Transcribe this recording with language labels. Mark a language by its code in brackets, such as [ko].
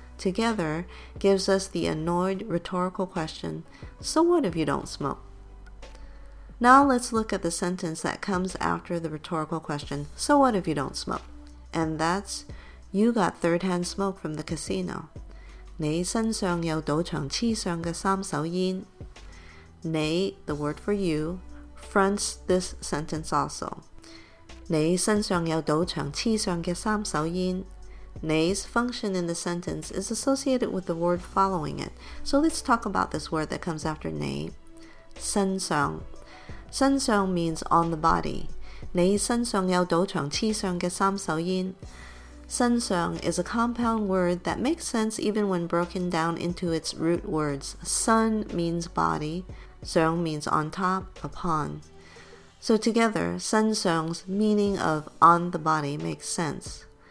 [en] Together gives us the annoyed rhetorical question, so what if you don't smoke? Now let's look at the sentence that comes after the rhetorical question, so what if you don't smoke? And that's, you got third-hand smoke from the casino. [yue] 你身上有賭場黐上嘅三手煙。 [en] 你, the word for you, fronts this sentence also. [yue] 你身上有賭場黐上嘅三手煙。 [en] Nay's function in the sentence is associated with the word following it. So let's talk about this word that comes after nay. 身上.身上 means on the body. [yue] 你身上有賭場黐上嘅三手煙。 [en] 身上 is a compound word that makes sense even when broken down into its root words. 身 means body. 上 means on top, upon. So together, 身上's meaning of on the body makes sense.